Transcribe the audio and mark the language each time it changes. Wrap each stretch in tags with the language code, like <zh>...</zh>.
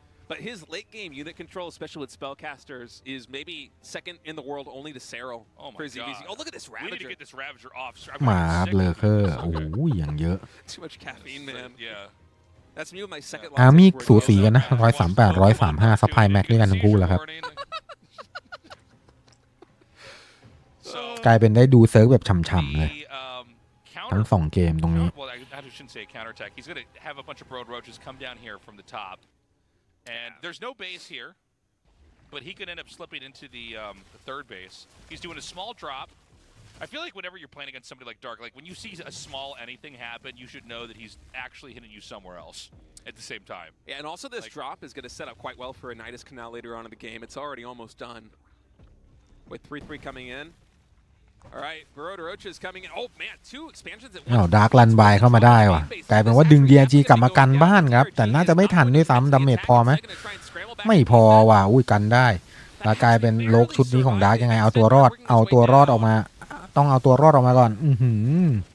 <en>But his late game unit control, especially with spellcasters, is maybe second in the world only to Serral. Oh my god. Oh, look at this Ravager. We need to get this Ravager off.</en> <th>มาครับเลอร์เคอร์โอ้ยังเยอะ</th> <en>Too much caffeine, man. Yeah. That's me with my second</en> <th>line. อ่ะมีสูสีกันนะ138 135 supply max ด้วยกันทั้งคู่แล้วครับกลายเป็นได้ดูเซิร์ฟแบบฉ่ำๆเลยทั้ง2เกมตรงนี้</th> <en>Well, I shouldn't say counter attack. He's going to have a bunch of broad roaches come down here from the topAnd there's no base here, but he could end up slipping into the third base. He's doing a small drop. I feel like whenever you're playing against somebody like Dark, like when you see a small anything happen, you should know that he's actually hitting you somewhere else at the same time. Yeah, and also this like, drop is going to set up quite well for a Nidus Canal later on in the game. It's already almost done. With 3-3 coming in. All right, Broad Roach is coming in. Oh, man, two expansions at once.</en> <th>Oh, Dark Land by เข้ามาได้ว่ะกลายเป็นว่าดึง DRG กลับมากันบ้านครับแต่น่าจะไม่ทันด้วยซ้ำดาเมจพอไหมไม่พอว่ะอุ้ยกันได้แล้วกลายเป็นโลกชุดนี้ของ Dark ยังไงเอาตัวรอดเอาตัวรอดออกมาต้องเอาตัวรอดออกมาก่อนอื้อหือ</th>